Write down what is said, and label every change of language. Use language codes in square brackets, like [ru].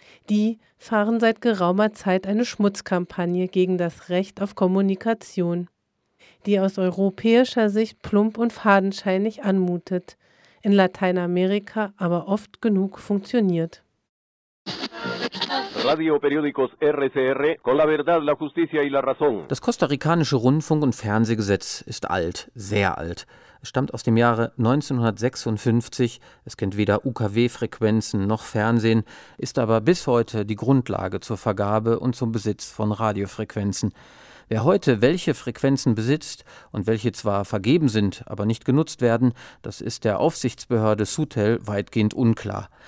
[de] Die fahren seit geraumer Zeit eine Schmutzkampagne gegen das Recht auf Kommunikation, die aus europäischer Sicht plump und fadenscheinig anmutet, in Lateinamerika aber oft genug funktioniert. [es] Radio Periódicos RCR, con la verdad, la justicia y la razón. [de] Das kostarikanische Rundfunk- und Fernsehgesetz ist alt, sehr alt. Es stammt aus dem Jahre 1956, es kennt weder UKW-Frequenzen noch Fernsehen, ist aber bis heute die Grundlage zur Vergabe und zum Besitz von Radiofrequenzen. Wer heute welche Frequenzen besitzt und welche zwar vergeben sind, aber nicht genutzt werden, das ist der Aufsichtsbehörde SUTEL weitgehend unklar.